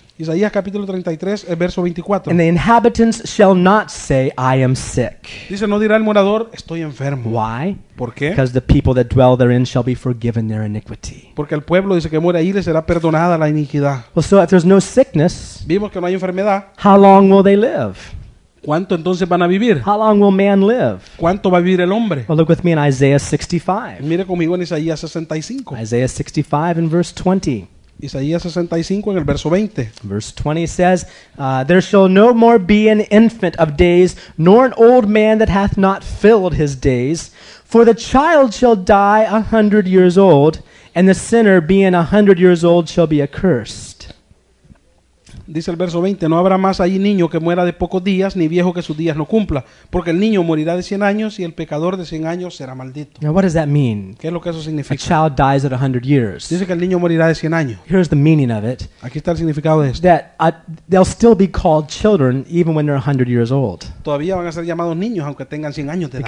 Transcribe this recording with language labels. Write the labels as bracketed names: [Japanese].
[Spanish] Isaías capítulo 33 el verso 24. [English] And the inhabitants shall not say I am sick. [Spanish] Dice no dirá el morador estoy enfermo. [English] Why? [Spanish] ¿Por qué? [English] Because the people that dwell therein shall be forgiven their iniquity. [Spanish] Porque el pueblo dice que muere ahí le será perdonada la iniquidad. [English] Well, so if there's no sickness, [Spanish] vimos que no hay enfermedad, [English] how long will they live? [Spanish] ¿Cuánto entonces van a vivir? [English] How long will man live? [Spanish] ¿Cuánto va a vivir el hombre? [English] Well, look with me in Isaiah 65. [Spanish] Mire conmigo en Isaías 65. [English] Isaiah 65 in verse 20. [Spanish] Isaías 65 en el verso 20. [English] Verse 20 says, there shall no more be an infant of days, nor an old man that hath not filled his days. For the child shall die 100 years old, and the sinner being 100 years old shall be accursed. [Spanish] Dice el verso 20, no habrá más allí niño que muera de pocos días, ni viejo que sus días no cumpla, porque el niño morirá de 100 años y el pecador de 100 años será maldito. [English] Now what does that mean? [Spanish] ¿Qué es lo que eso significa? [English] A child dies at 100 years. [Spanish] Dice que el niño morirá de 100 años. [English] Here's the meaning of it. [Spanish] Aquí está el significado de esto. [English] That they'll still be called children even when they're 100 years old. [Spanish] Todavía van a ser llamados niños aunque tengan 100 años de edad.